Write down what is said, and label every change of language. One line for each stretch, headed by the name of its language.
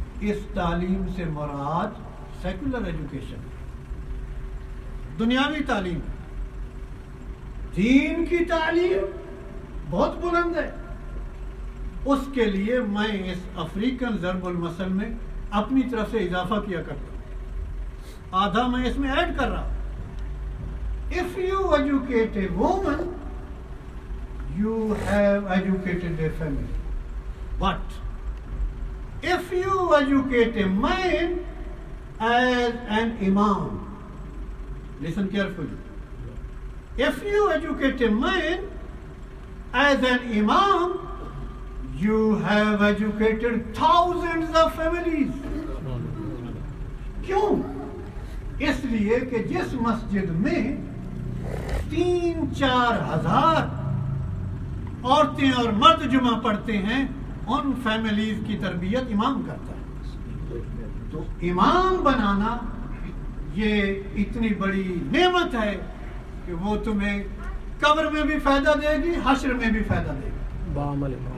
Urdu: اس تعلیم سے مراد secular education, دنیاوی تعلیم. دین کی تعلیم بہت بلند ہے، اس کے لیے میں اس افریقن ضرب المثل میں اپنی طرف سے اضافہ کیا کرتا ہوں، آدھا میں اس میں ایڈ کر رہا ہوں.
English: If you educate a woman, you have educated a family. But if you educate a man as an imam, listen carefully. If you educate a man as an imam, you have educated thousands of families.
Urdu: کیوں؟ اس لیے کہ جس مسجد میں 3-4 ہزار عورتیں اور مرد جمعہ پڑھتے ہیں، ان فیملیز کی تربیت امام کرتا ہے. تو امام بنانا یہ اتنی بڑی نعمت ہے کہ وہ تمہیں قبر میں بھی فائدہ دے گی، حشر میں بھی فائدہ دے گی.